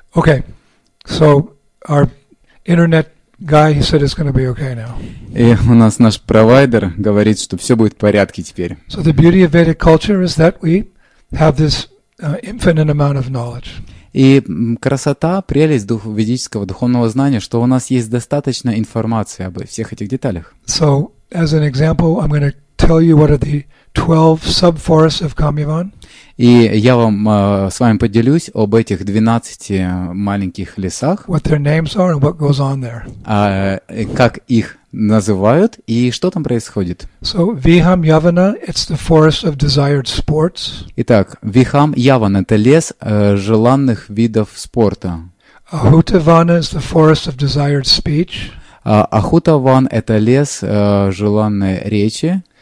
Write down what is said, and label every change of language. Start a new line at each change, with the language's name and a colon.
English: Okay, so our internet guy, he said it's going to be okay now.
Russian: И у нас наш провайдер говорит, что все будет в порядке теперь.
English: So the beauty of Vedic culture is that we have this infinite amount of knowledge.
Russian: И красота, прелесть ведического духовного знания, что у нас есть достаточно информации обо всех этих деталях.
English: So as an example, I'm going to tell you what are the 12 subforests of Kamyavan.
Russian: И я вам с вами поделюсь об этих 12 маленьких лесах.
English: What their names are and what goes on there.
Russian: Как их называют, и что там происходит?
English: So, Viham Yavana, it's the forest of desired sports.
Russian: Итак, Viham Yavana – это лес желанных видов спорта.
English: Ahutavana is the forest of desired speech.
Russian: Ahutavan – это лес желанной речи.